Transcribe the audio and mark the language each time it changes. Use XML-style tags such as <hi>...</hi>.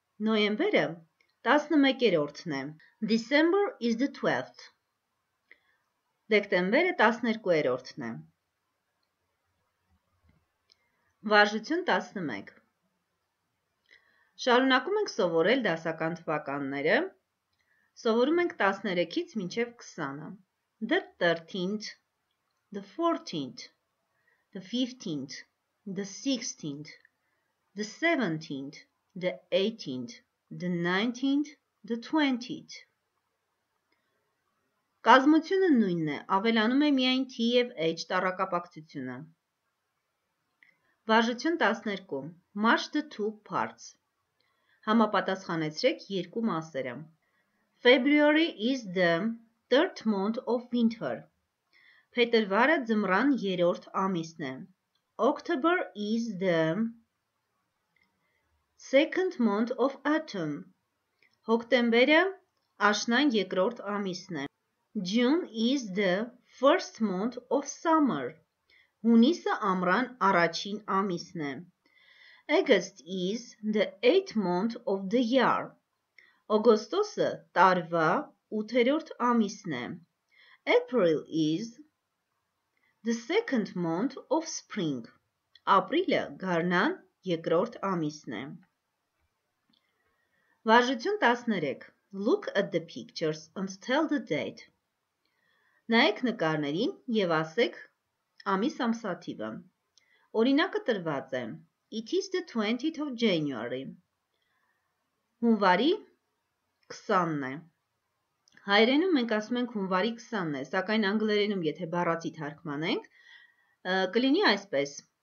<hy>Նոյեմբերը 11-րդն է.</hy> <en>December is the 12th.</en> <hy>Դեկտեմբերը 12-րդն է. Վարժություն 11. Շարունակում ենք սովորել դասական թվականները. Սովորում ենք 13-ից մինչև 20-ը.</hy> <en>The 13th, the 14th, the 15th, the 16th, the 17th, the 18th, the 19th, the 20th.</en> <hy>Կազմությունը նույնն է, ավելանում է միայն t եւ h տառակապակցությունը։ Վարժություն 12.</hy> <en>Match the two parts.</en> <hy>Համապատասխանեցրեք երկու մասերը։</hy> <en>February is the third month of winter.</en> <hy>Փետրվարը ձմռան երրորդ ամիսն է.</hy> <en>October is the second month of autumn.</en> <hy>Հոկտեմբերը աշնան երկրորդ ամիսն է.</hy> <en>June is the first month of summer.</en> <hy>Հունիսը ամռան առաջին ամիսն է.</hy> <en>August is the 8th month of the year.</en> <hy>Օգոստոսը տարվա 8-րդ ամիսն է.</hy> <en>April is the 2nd month of spring.</en> <hy>Ապրիլը գարնան 2-րդ ամիսն է. Վարժություն 13.</hy> <en>Look at the pictures and tell the date.</en> <hy>Նայեք նկարներին և ասեք ամիս ամսաթիվը։ Օրինակը տրված է.</hy> <en>It is the 20th of January.</en> <hy>Հունվարի 20-ն է։ Հայերենում մենք ասում ենք հունվարի 20-ն է, սակայն անգլերենում, եթե բառացի թարգմանենք, կլինի այսպես.</hy>